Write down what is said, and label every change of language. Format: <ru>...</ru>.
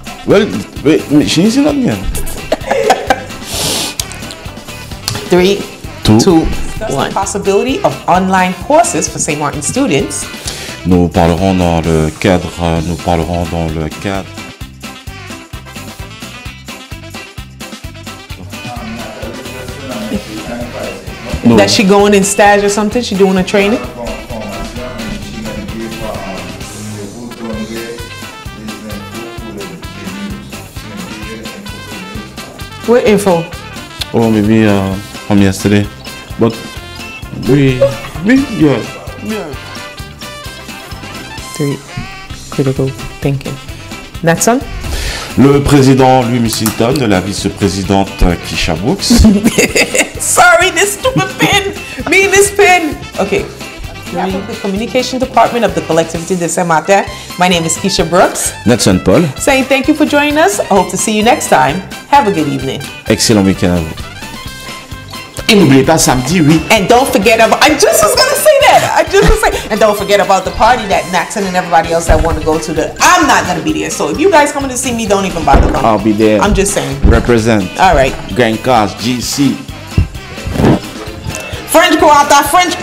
<en>Well, wait, she needs it on again. 3, 2, 1. Possibility of online courses for St. Martin students.</en> <fr>Nous parlerons dans le cadre. Nous parlerons dans le cadre.</fr> <en>No. That she going in stage or something? She doing a training? What info? Oh, maybe from yesterday. But we yeah. 3, critical thinking. Natson?</en> <fr>Le président Louis Missington, la vice-présidente Keisha Brooks.</fr> <en>Sorry, this stupid pen! Me, this pen! Okay. The Communication Department of the Collectivity de Saint-Martin. My name is Keisha Brooks. Natson Paul. Saying thank you for joining us. I hope to see you next time. Have a good evening.</en> <fr>Excellent weekend à vous. Et n'oubliez pas samedi, oui.</fr> <en>And don't forget about. I just was gonna say that. I just was say. And don't forget about the party that Natson and everybody else that want to go to. I'm not gonna be there. So if you guys coming to see me, don't even bother. I'll be there. I'm just saying. Represent. All right. Grand Cars GC. French Quarter, French.</en>